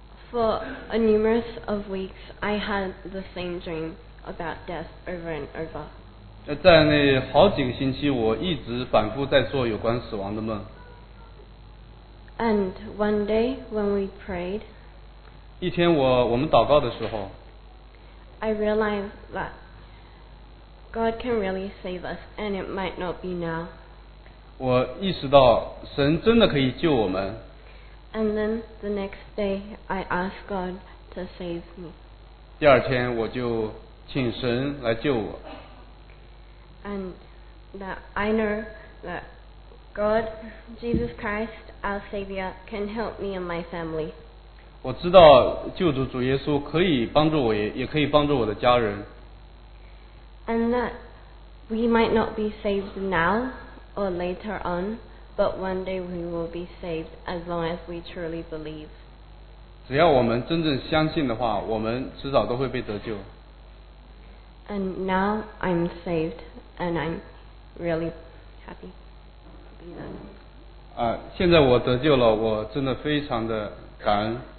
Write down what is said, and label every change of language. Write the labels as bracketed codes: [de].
[en] For a numerous of weeks, I had the same dream about death over and over. [zh] 在那好几个星期，我一直反复在做有关死亡的梦。 [en] And one day when we prayed, [zh] 一天我们祷告的时候， [en] I realized that God can really save us, and it might not be now. [zh] 我意识到神真的可以救我们。 [en] And then the next day, I asked God to save me. [zh] 第二天我就请神来救我。 [en] And that I know that God, Jesus Christ, our Savior, can help me and my family. [zh] 我知道救主主耶稣可以帮助我，也可以帮助我的家人。 [en] And that we might not be saved now or later on, but one day we will be saved as long as we truly believe. [zh] 只要我们真正相信的话，我们迟早都会被得救。 [en] And now I'm saved, and I'm really happy. [zh] 现在我得救了，我真的非常的感恩。